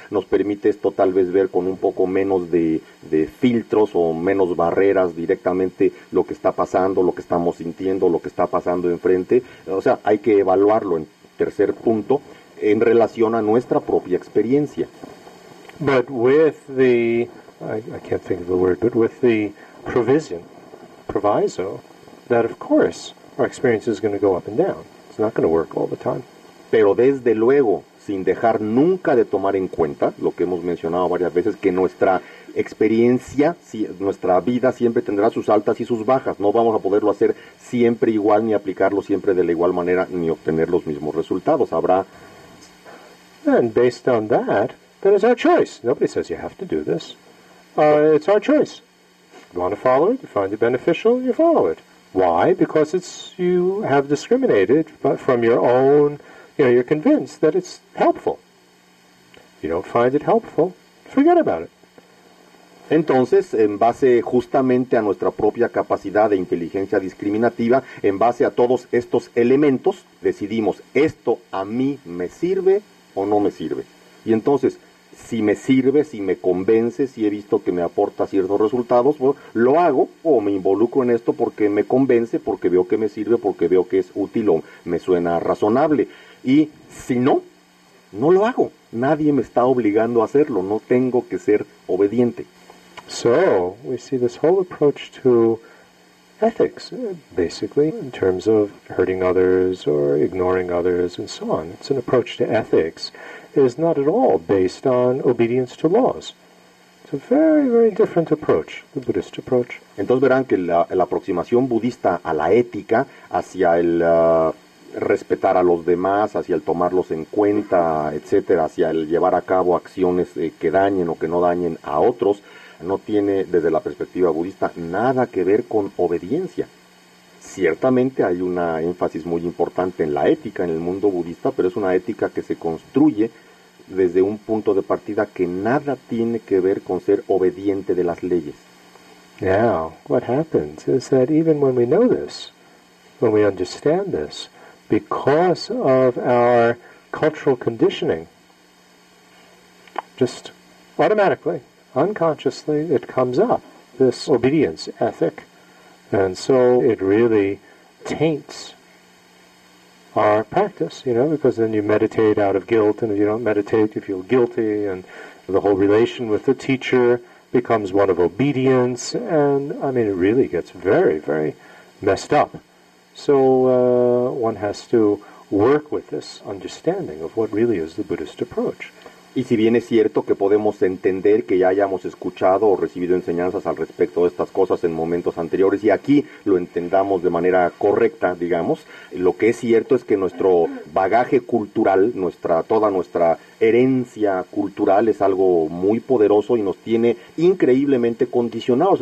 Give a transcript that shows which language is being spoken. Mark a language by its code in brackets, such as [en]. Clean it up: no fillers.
[es] Nos permite esto tal vez ver con un poco menos de filtros o menos barreras directamente lo que está pasando, lo que estamos sintiendo, lo que está pasando enfrente. O sea, hay que evaluarlo en tercer punto en relación a nuestra propia experiencia. [en] But with the, I can't think of the word, but with the provision, proviso, that of course our experience is going to go up and down. It's not going to work all the time. [es] Pero desde luego, sin dejar nunca de tomar en cuenta lo que hemos mencionado varias veces, que nuestra experiencia, nuestra vida siempre tendrá sus altas y sus bajas. No vamos a poderlo hacer siempre igual, ni aplicarlo siempre de la igual manera, ni obtener los mismos resultados. Habrá... [en] And based on that, then it's our choice. Nobody says you have to do this. It's our choice. You want to follow it? You find it beneficial? You follow it. Why? Because it's you have discriminated but from your own... You know, you're convinced that it's helpful. You don't find it helpful, forget about it. [es] Entonces, en base justamente a nuestra propia capacidad de inteligencia discriminativa, en base a todos estos elementos, decidimos, ¿esto a mí me sirve o no me sirve? Y entonces, si me sirve, si me convence, si he visto que me aporta ciertos resultados, bueno, lo hago o me involucro en esto porque me convence, porque veo que me sirve, porque veo que es útil o me suena razonable. Y si no, no lo hago. Nadie me está obligando a hacerlo. No tengo que ser obediente. [en] So, we see this whole approach to ethics, basically, in terms of hurting others or ignoring others and so on. It's an approach to ethics. It is not at all based on obedience to laws. It's a very, very different approach, the Buddhist approach. [es] Entonces verán que la aproximación budista a la ética hacia el... respetar a los demás, hacia el tomarlos en cuenta, etcétera, hacia el llevar a cabo acciones que dañen o que no dañen a otros, no tiene, desde la perspectiva budista, nada que ver con obediencia. Ciertamente hay una énfasis muy importante en la ética en el mundo budista, pero es una ética que se construye desde un punto de partida que nada tiene que ver con ser obediente de las leyes. [en] Now, what happens is that even when we know this, when we understand this, because of our cultural conditioning, just automatically, unconsciously, it comes up, this obedience ethic. And so it really taints our practice, you know, because then you meditate out of guilt, and if you don't meditate, you feel guilty, and the whole relation with the teacher becomes one of obedience, and, I mean, it really gets very, very messed up. So one has to work with this understanding of what really is the Buddhist approach. [es] Y si bien es cierto que podemos entender que ya hayamos escuchado o recibido enseñanzas al respecto de estas cosas en momentos anteriores y aquí lo entendamos de manera correcta, digamos, lo que es cierto es que nuestro bagaje cultural, toda nuestra herencia cultural es algo muy poderoso y nos tiene increíblemente condicionados.